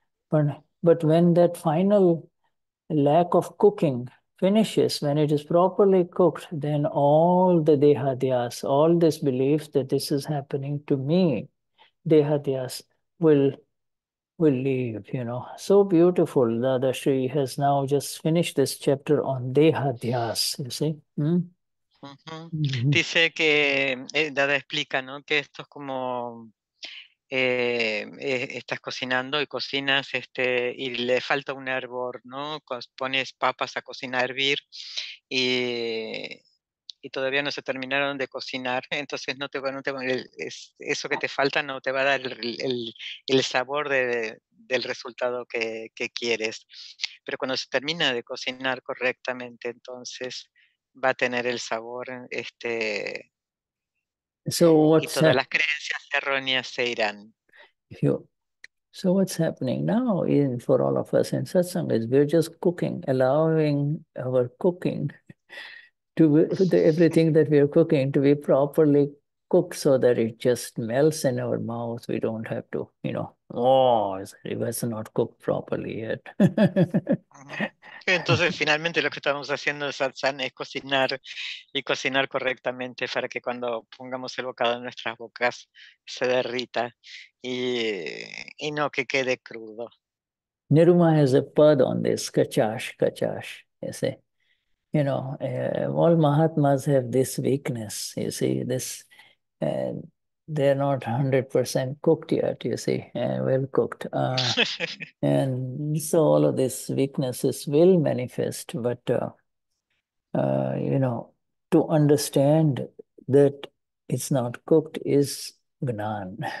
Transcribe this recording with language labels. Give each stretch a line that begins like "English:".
English: But when that final lack of cooking finishes, when it is properly cooked, then all the dehadyas, all this belief that this is happening to me, dehadyas will leave, you know. So beautiful. Dadashri has now just finished this chapter on dehadyas, you see.
Spanish: Dice que Dada explica, ¿no?, que esto es como estás cocinando y cocinas este y le falta un hervor, ¿no? Pones papas a cocinar, a hervir y todavía no se terminaron de cocinar, entonces no te eso que te falta no te va a dar el sabor del resultado que quieres. Pero cuando se termina de cocinar correctamente, entonces va a tener el sabor este.
English: So what's
Spanish: todas las creencias erróneas se irán.
English: So what's happening now in for all of us in satsang is we're just cooking, allowing our cooking to the everything that we are cooking to be properly cooked so that it just melts in our mouth. We don't have to, you know, oh, it was not cooked properly yet.
Spanish: Entonces, finalmente, lo que estamos haciendo de satsang es cocinar y cocinar correctamente para que cuando pongamos el bocado en nuestras bocas se derrita y no que quede crudo.
English: Niruma has a pad on this, kachash, kachash, you see. You know, all Mahatmas have this weakness, you see, this, they're not 100% cooked yet, you see, well cooked. and so all of these weaknesses will manifest, but, you know, to understand that it's not cooked is gnan.